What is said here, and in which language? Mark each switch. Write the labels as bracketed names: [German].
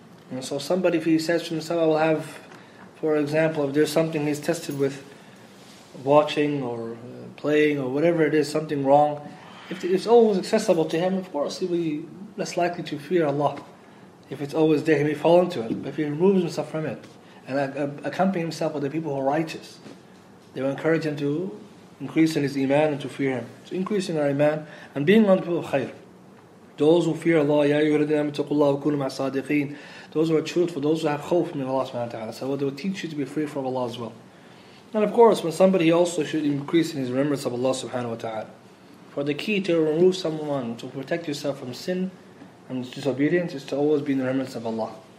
[English] And so somebody, if he says to himself, I will have, for example, if there's something he's tested with, watching or playing or whatever it is, something wrong, if it's always accessible to him, of course he'll be less likely to fear Allah. If it's always there, he may fall into it. But if he removes himself from it and accompany himself with the people who are righteous, they will encourage him to increase in his iman and to fear him. So increasing our iman and being on the people of khair. Those who fear Allah, [Arabic] يَا أَيُّهَا الَّذِينَ آمَنُوا اتَّقُوا اللَّهَ وَكُونُوا مَعَ الصَّادِقِينَ. [English] Those who are truthful, those who have khawf from Allah subhanahu wa ta'ala. So they will teach you to be free from Allah as well. And of course, when somebody also should increase in his remembrance of Allah subhanahu wa ta'ala. For the key to remove someone, to protect yourself from sin and disobedience, is to always be in the remembrance of Allah.